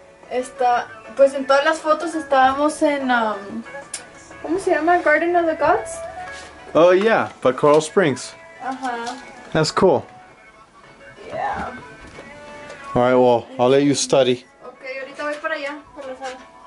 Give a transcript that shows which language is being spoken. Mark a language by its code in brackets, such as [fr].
[es] Pues en todas las fotos estábamos en, ¿cómo se llama? [en] Garden of the Gods? Oh, yeah, by Coral Springs. Uh-huh. That's cool. Yeah. All right, well, I'll let you study. [es] Okay, ahorita voy para allá, por la sala.